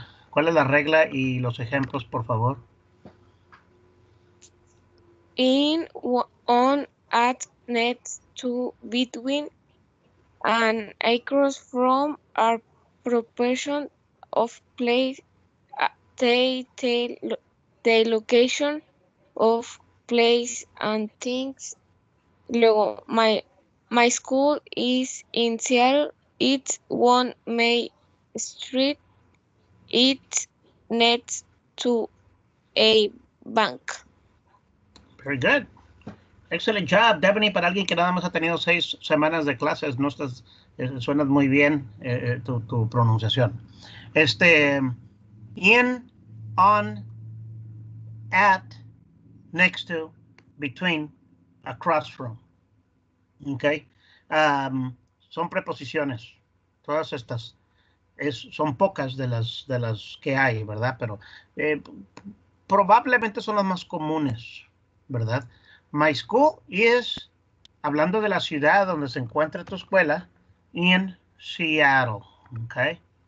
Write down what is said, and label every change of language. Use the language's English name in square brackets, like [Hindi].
[Spanish] ¿Cuál es la regla y los ejemplos, por favor? [English] In, on, at, next, to, between, and across from are proportion of place. The location of place and things. Luego, my school is in Seattle. It's one main street. It's next to a bank. Very good. Excellent job, Devani. [Spanish] Para alguien que nada más ha tenido 6 semanas de clases, no estás, suenas muy bien tu pronunciación. [English] In, on, at, next to, between, across from. [Spanish] Okay. Son preposiciones. Todas estas son pocas de las que hay, ¿verdad? Pero probablemente son las más comunes, ¿verdad? [English] My school is, [Spanish] hablando de la ciudad donde se encuentra tu escuela, in Seattle. Okay.